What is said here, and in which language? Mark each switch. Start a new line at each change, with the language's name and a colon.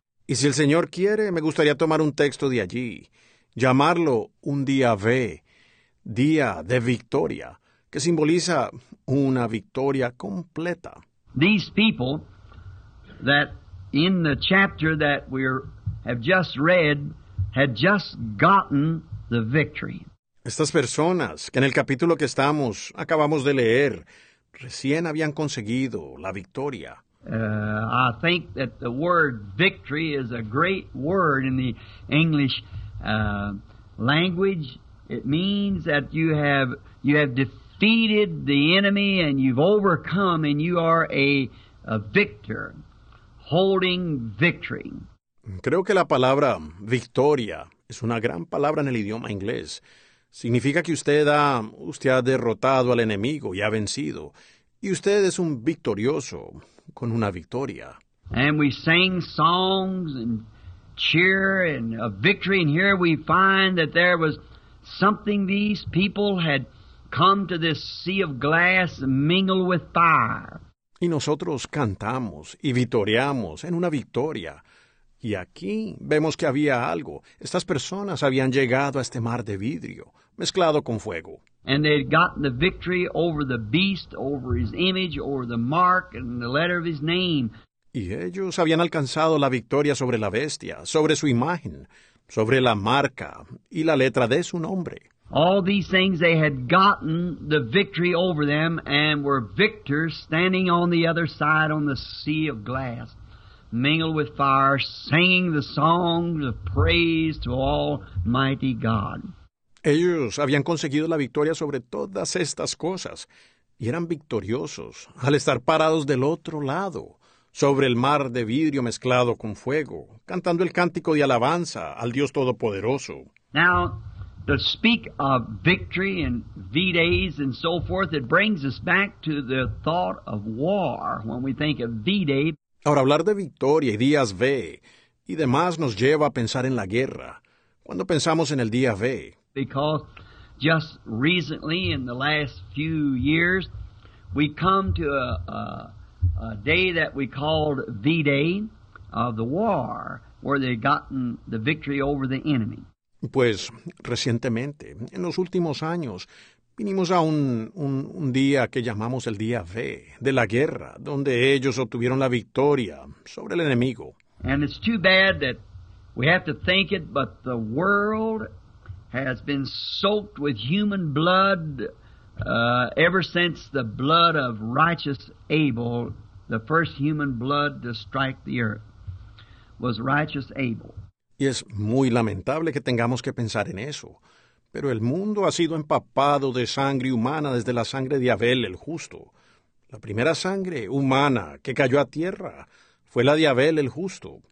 Spanish: Y si el Señor quiere, me gustaría tomar un texto de allí, llamarlo un día V, día de victoria, que simboliza una victoria completa.
English: These people that in the chapter that we have just read had just gotten the victory.
Spanish: Estas personas que en el capítulo que estamos acabamos de leer recién habían conseguido la victoria.
English: I think that the word victory is a great word in the English language. It means that you have defeated the enemy and you've overcome and you are a victor, holding victory.
Spanish: Creo que la palabra victoria es una gran palabra en el idioma inglés. Significa que usted ha derrotado al enemigo y ha vencido. Y usted es un victorioso con una victoria.
English: And we sang songs and cheer and a victory. And here we find that there was something these people had come to this sea of glass and mingled with fire.
Spanish: Y nosotros cantamos y vitoreamos en una victoria. Y aquí vemos que había algo. Estas personas habían llegado a este mar de vidrio, mezclado con fuego.
English: And they had gotten the victory over the beast, over his image, over the mark, and the letter of his name.
Spanish: Y ellos habían alcanzado la victoria sobre la bestia, sobre su imagen, sobre la marca y la letra de su nombre.
English: All these things, they had gotten the victory over them and were victors standing on the other side on the sea of glass, mingled with fire, singing the songs of praise to Almighty God.
Spanish: Ellos habían conseguido la victoria sobre todas estas cosas y eran victoriosos al estar parados del otro lado, sobre el mar de vidrio mezclado con fuego, cantando el cántico de alabanza al Dios Todopoderoso.
English: Now, to speak of victory and V-Days and so forth, it brings us back to the thought of war when we think of V-Day.
Spanish: Ahora, hablar de victoria y días V y demás nos lleva a pensar en la guerra. Cuando pensamos en el día V,
English: because just recently, in the last few years, we come to a day that we called V-Day of the war, where they've gotten the victory over the enemy.
Spanish: Pues, recientemente, en los últimos años, vinimos a un día que llamamos el día V, de la guerra, donde ellos obtuvieron la victoria sobre el enemigo.
English: And it's too bad that we have to think it, but the world has been soaked with human blood ever since the blood of righteous Abel, the first human blood to strike the earth, was righteous Abel.
Spanish: Y es muy lamentable que tengamos que pensar en eso, pero el mundo ha sido empapado de sangre humana desde la sangre de Abel el justo. La primera sangre humana que cayó a tierra fue la de Abel el justo.